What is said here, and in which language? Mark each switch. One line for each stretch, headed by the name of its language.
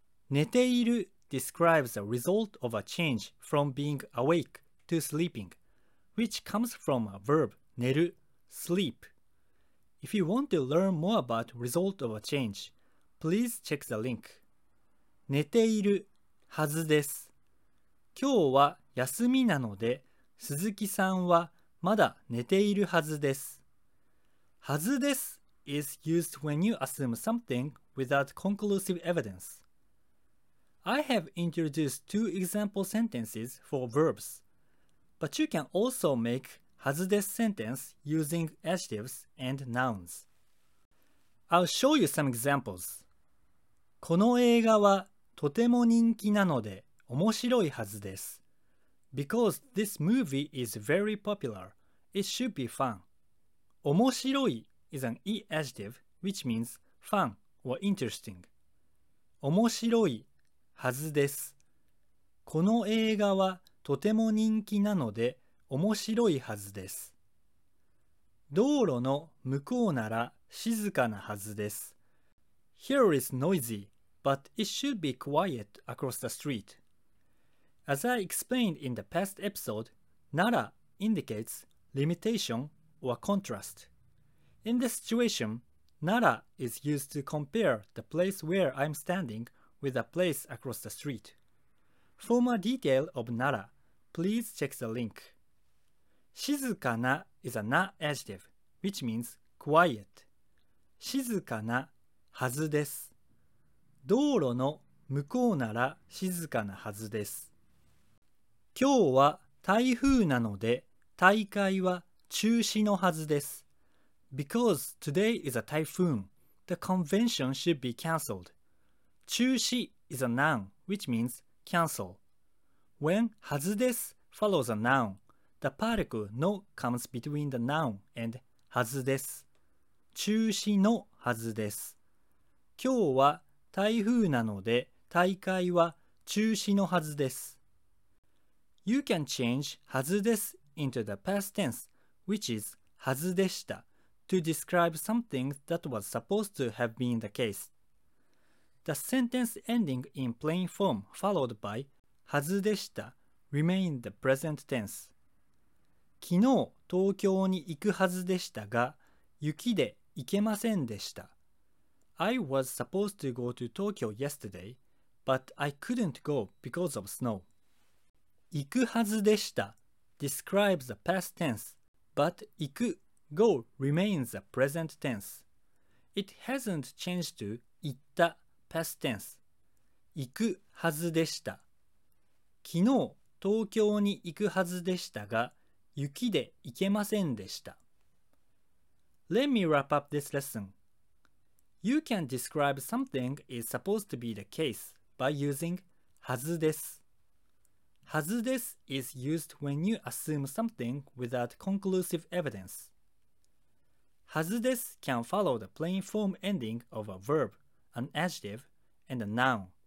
English: 寝ている describes the result of a change from being awake to sleeping, which comes from a verb 寝る sleep. If you want to learn more about result of a change, please check the link.
Japanese: 寝ているはずです。今日は休みなので鈴木さんはまだ寝ているはずです。
English: はずです is used when you assume something without conclusive evidence. I have introduced two example sentences for verbs, but you can also make はずです sentence using adjectives and nouns. I'll show you some examples.
Japanese: この映画はとても人気なので面白いはずです。
English: Because this movie is very popular, it should be fun. 面白い is an e adjective which means fun or interesting.
Japanese: 面白いはずです。この映画はとても人気なので面白いはずです。道路の向こうなら静かなはずです。
English: Here is noisy, but it should be quiet across the street. As I explained in the past episode, nara indicates limitation or contrast. In this situation, nara is used to compare the place where I'm standing with a place across the street. For more detail of nara, please check the link. Shizukana is a na adjective, which means quiet.
Japanese: Shizukana hazu desu. Douro no mukou nara shizukana hazu desu. 今日は台風なので大会は中止のはずです。
English: Because today is a typhoon, the convention should be cancelled. 中止 is a noun which means cancel. When はずです follows a noun, the particle の comes between the noun and はずです。
Japanese: 中止のはずです。今日は台風なので大会は中止のはずです。
English: You can change はずです into the past tense, which is はずでした, to describe something that was supposed to have been the case. The sentence ending in plain form followed by はずでした remained the present tense.
Japanese: 昨日東京に行くはずでしたが、雪で行けませんでした。
English: I was supposed to go to Tokyo yesterday, but I couldn't go because of snow. 行くはずでした describes the past tense, but 行く go remains the present tense. It hasn't changed to 行った past tense.
Japanese: 行くはずでした。昨日東京に行くはずでしたが、雪で行けませんでした。
English: Let me wrap up this lesson. You can describe something is supposed to be the case by using はずです。はずです is used when you assume something without conclusive evidence. はずです can follow the plain form ending of a verb, an adjective, and a noun.